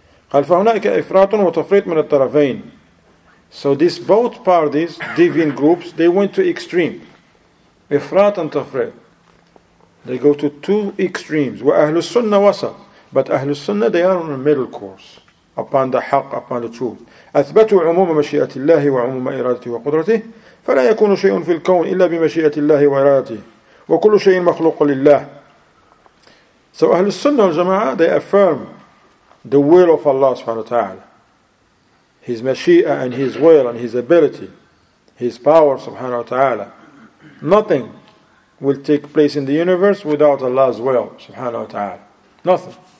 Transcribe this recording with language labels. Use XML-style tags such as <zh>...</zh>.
<ar>قَالْ فَهُنَاكَ إِفْرَاطٌ وَتَفْرِيطٌ مِنَ الطَّرَفَيْنِ.</ar> <en>So these both parties, deviant groups, they went to extreme. Ifrat and Tafrit. They go to two extremes.</en> <ar>Wa Ahlu Sunnah wasat.</ar> <en>But Ahlu Sunnah, they are on a middle course. Upon the haqq, upon the truth.</en> <ar>أثبتوا عموم مشيئة الله وعموم إرادته وقدرته. فلا يكون شيء في الكون إلا بمشيئة الله وإرادته. وكل شيء مخلوق لله.</ar> <en>So Ahlul Sunnah al-Jama'ah, they affirm the will of Allah subhanahu wa ta'ala, His Mashi'a and His will and His ability, His power subhanahu wa ta'ala. Nothing will take place in the universe without Allah's will subhanahu wa ta'ala. Nothing.</en>